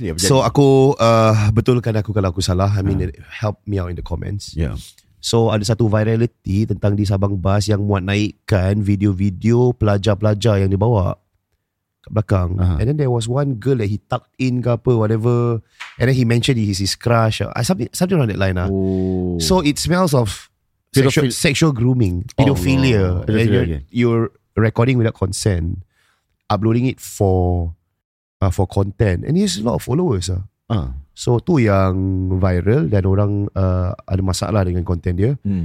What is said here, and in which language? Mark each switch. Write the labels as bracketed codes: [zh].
[ms] So aku betulkan aku kalau aku salah. [en] I mean, help me out in the comments. Yeah. [ms] So ada satu virality tentang di Sabang Bas yang muat naikkan video-video pelajar-pelajar yang dia bawa kat belakang. [en] And then there was one girl that he tucked in [ms] ke apa, [en] whatever. And then he mentioned he's his crush. Something around that line. So it smells of sexual grooming, pedophilia. You're recording without consent, uploading it for content, and there's a lot of followers. [ms] So tu yang viral dan orang ada masalah dengan content dia.